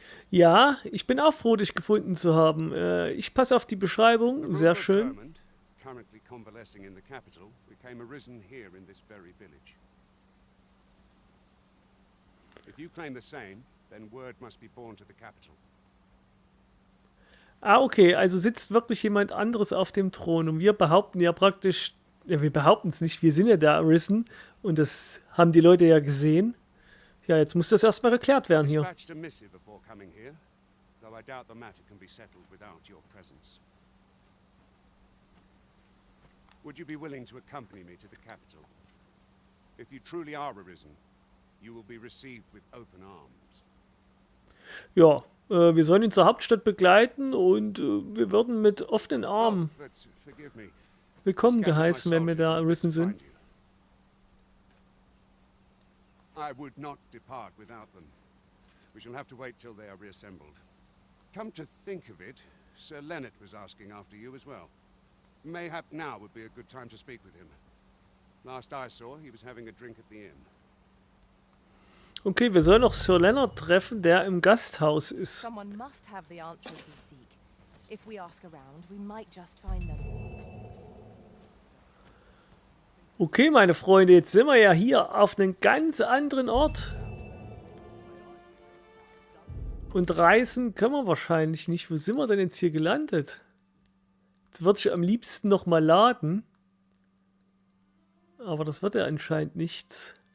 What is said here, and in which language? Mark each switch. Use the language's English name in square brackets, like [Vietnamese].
[German] Ja, ich bin auch froh, dich gefunden zu haben. Ich passe auf die Beschreibung. Sehr schön. [English] Currently convalescing in the capital, became arisen here in this very village. If you claim the same, then word must be borne to the capital. Ah, okay. [German] Also sitzt wirklich jemand anderes auf dem Thron und wir behaupten ja praktisch. Ja, wir behaupten es nicht, wir sind ja da Arisen und das haben die Leute ja gesehen. Ja, jetzt muss das erstmal geklärt werden hier. [English] Dispatched a missive before coming here, though I doubt the matter can be settled without your presence. Would you be willing to accompany me to the capital? If you truly are Arisen, you will be received with open arms. [German] Ja, wir sollen ihn zur Hauptstadt begleiten und wir würden mit offenen Armen. [English] Oh, but forgive me. [German] Willkommen geheißen, wenn wir da Arisen sind. [English] I would not depart without them. We shall have to wait till they are reassembled. Come to think of it, Sir Leonard was asking after you as well. Mayhap now would be a good time to speak with him. Last I saw, he was having a drink at the inn. [German] Okay, wir sollen noch Sir Leonard treffen, der im Gasthaus ist. [English] Someone must have the answers we seek. If we ask around, we might just find them. [German] Okay, meine Freunde, jetzt sind wir ja hier auf einem ganz anderen Ort. Und reisen können wir wahrscheinlich nicht. Wo sind wir denn jetzt hier gelandet? Jetzt würde ich am liebsten nochmal laden. Aber das wird ja anscheinend nichts.